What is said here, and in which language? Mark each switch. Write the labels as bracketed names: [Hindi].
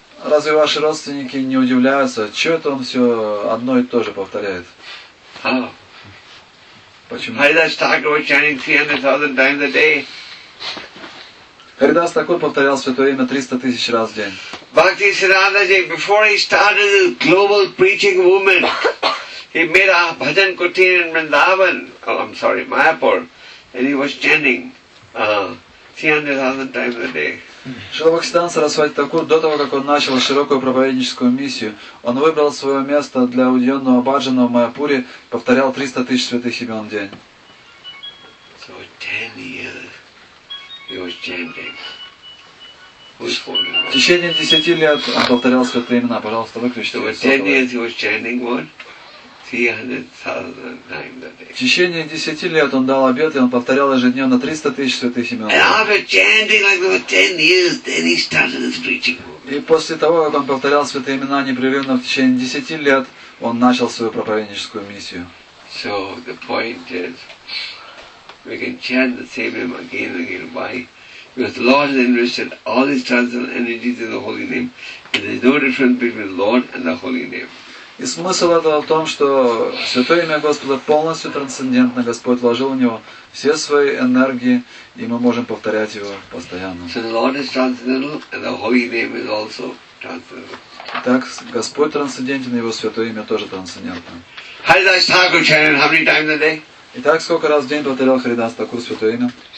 [Russian] Разве ваши родственники не удивляются, что это он все одно и то же повторяет? [English] Haridas Thakur chanting 300,000 times a day. [Russian] Haridas Thakur повторял святое имя 300,000 раз в день. [English] Bhakti Siddhanta ji, before he started his global preaching movement, he made a bhajan kutir in Vrindavan. Oh, I'm sorry, Mayapur. and he was chanting 300,000 times a day. [Russian] Шилабхакти Сиддханта Сарасвати Такур, до того, как он начал широкую проповедническую миссию, он выбрал свое место для уединенного баджана в Майяпуре, повторял 300 тысяч святых имен в день. [English] So 10 years he was chanting. [Russian] В течение 10 лет он повторял святые имена. Пожалуйста, выключите. [English] So 10 years he was chanting what? 300,000 times a day. [Russian] В течение 10 лет он дал обет, и он повторял ежедневно 300 тысяч святых имен. [English] And after chanting like that for 10 years, then he started his preaching. [Russian] И после того, как он повторял святые имена непрерывно в течение 10 лет, он начал свою проповедническую миссию. [English] So the point is, we can chant the same name again and again. Why? Because the Lord has invested all his transcendental energies in the holy name, and there's no difference between the Lord and the holy name. [Russian] И смысл этого в том, что святое имя Господа полностью трансцендентно. Господь вложил в него все свои энергии, и мы можем повторять его постоянно. [English] So the Lord is transcendental, and the holy name is also transcendental. [Russian] Так, Господь трансцендентен, его святое имя тоже трансцендентно. [English] How did I start to chant? How many times a day? [Russian] Итак, сколько раз в день повторял Харидас Такур святое имя?